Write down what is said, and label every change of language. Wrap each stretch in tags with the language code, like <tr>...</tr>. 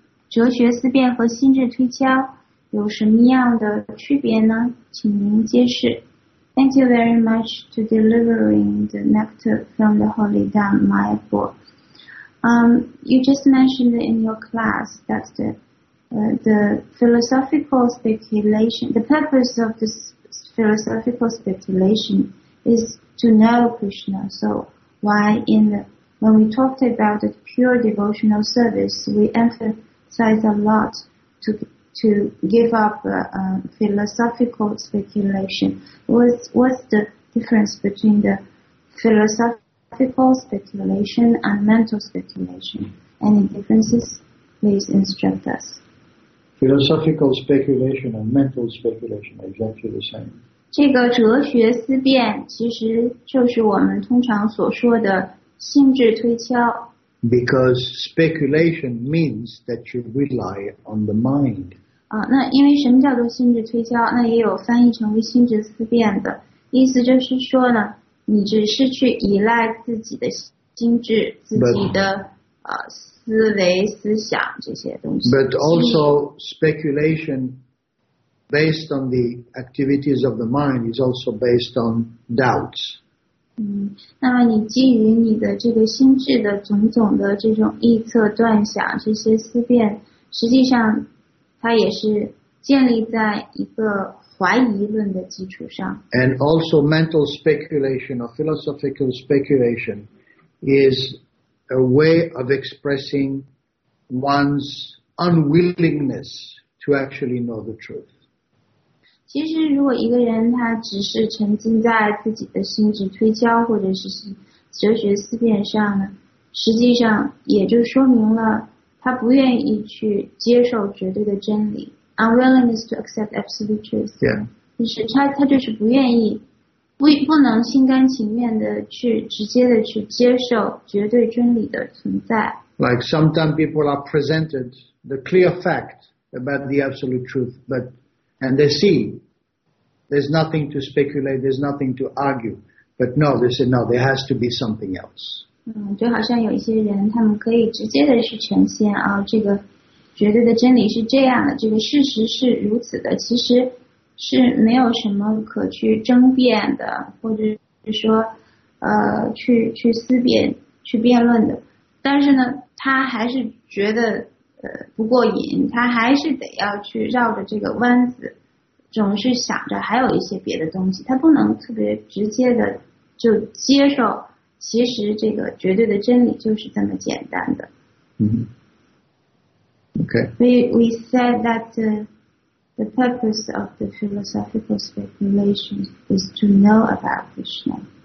<zh>哲学思辨和心智推敲有什么样的区别呢？请您揭示。</zh> <en>Thank you very much to delivering the nectar from the Holy Dham, my book. You just mentioned in your class that the philosophical speculation, the purpose of this philosophical speculation is to know Krishna. So why when we talked about the pure devotional service, we emphasize a lot to give up philosophical speculation. What's the difference between the philosophical speculation and mental speculation? Any differences? Please instruct us. Philosophical speculation and mental speculation are exactly the same.</en> <zh>这个哲学思辨其实就是我们通常所说的心智推敲。</zh> <en>Because speculation means that you rely on the mind.</en> <zh>那因为什么叫做心智推敲？那也有翻译成为心智思辨的意思，就是说呢，你只是去依赖自己的心智、自己的思维、思想这些东西。</zh> <en>But also speculation based on the activities of the mind is also based on doubts.</en> <zh>那么你基于你的这个心智的种种的这种臆测、断想、这些思辨，实际上它也是建立在一个怀疑论的基础上。</zh> <en>And also mental speculation or philosophical speculation is a way of expressing one's unwillingness to actually know the truth.</en> <zh>其实如果一个人他只是沉浸在自己的心智推敲或者是哲学思辨上呢，实际上也就说明了他不愿意去接受绝对的真理。</zh> <en>Unwillingness to accept absolute truth. Yeah.</en> <zh>就是他就是不愿意，不能心甘情愿的去直接的去接受绝对真理的存在。</zh> <en>Like sometimes people are presented the clear fact about the absolute truth, but and they see there's nothing to speculate, there's nothing to argue. But no, they say no, there has to be something else.</en> <zh>就好像有一些人，他们可以直接的去呈现啊，这个绝对的真理是这样的，这个事实是如此的，其实是没有什么可去争辩的，或者是说去思辨、去辩论的。但是呢，他还是觉得不过瘾，他还是得要去绕着这个弯子，总是想着还有一些别的东西，他不能特别直接的就接受，其实这个绝对的真理就是这么简单的。</zh> <en>Okay. We said that the purpose of the philosophical speculation is to know about Krishna.</en>